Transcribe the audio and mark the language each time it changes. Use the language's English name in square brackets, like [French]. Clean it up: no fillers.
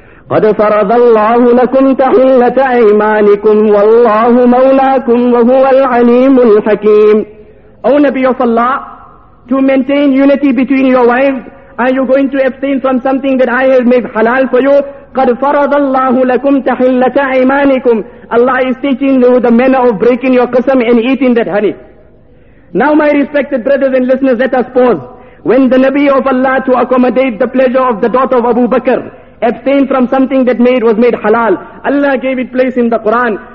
[Arabic] قد فرض الله لكم تحلة أيمانكم والله مولاكم وهو العليم الحكيم. [English] O Nabi of Allah, to maintain unity between your wives, are you going to abstain from something that I have made halal for you? [Arabic] قد فرض الله لكم تحلة أيمانكم. [English] Allah is teaching you the manner of breaking your qasam and eating that honey. Now my respected brothers and listeners, let us pause. When the Nabi of Allah, to accommodate the pleasure of the daughter of Abu Bakr, abstained from something that was made halal, Allah gave it place in the Quran.